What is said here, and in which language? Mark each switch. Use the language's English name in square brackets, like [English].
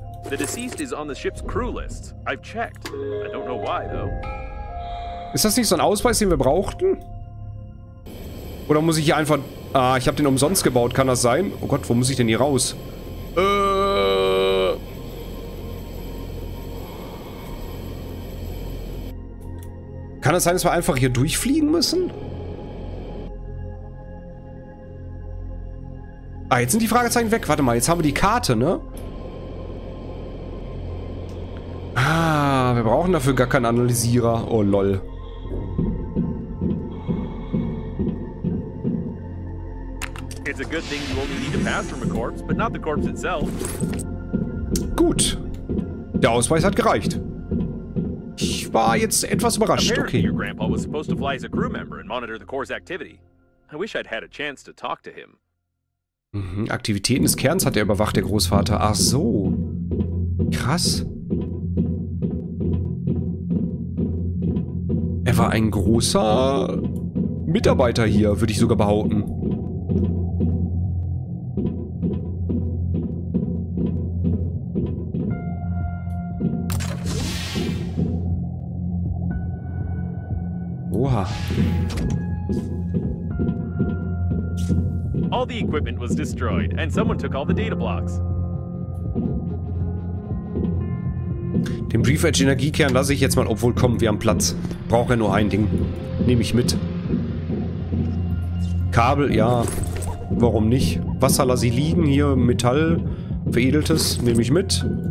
[English] The deceased is on the ship's crew list. I've checked. I don't know why, though. [German] Ist das nicht so ein Ausweis, den wir brauchten? Oder muss ich hier einfach... Ah, ich habe den umsonst gebaut. Kann das sein? Oh Gott, wo muss ich denn hier raus? Kann das sein, dass wir einfach hier durchfliegen müssen? Ah, jetzt sind die Fragezeichen weg. Warte mal, jetzt haben wir die Karte, ne? Ah, wir brauchen dafür gar keinen Analysierer. Oh, lol. [English] It's a good thing you only need a pass from a corpse, but not the corpse itself. [German] Gut. Der Ausweis hat gereicht. Ich war jetzt etwas überrascht, okay. [English] Apparently your grandpa was supposed to fly as a crew member and monitor the Corps' activity. I wish I'd had a chance to talk to him. [German] Aktivitäten des Kerns hat er überwacht, der Großvater. Ach so. Krass. Er war ein großer Mitarbeiter hier, würde ich sogar behaupten. Oha. [English] All the equipment was destroyed, and someone took all the data blocks. [German] Den Brief Edge Energiekern lasse ich jetzt mal, obwohl kommen wir am Platz. Brauche ja nur ein Ding. Nehme ich mit. Kabel, ja. warum nicht? Wasser lasse ich liegen hier, Metall, veredeltes, nehme ich mit.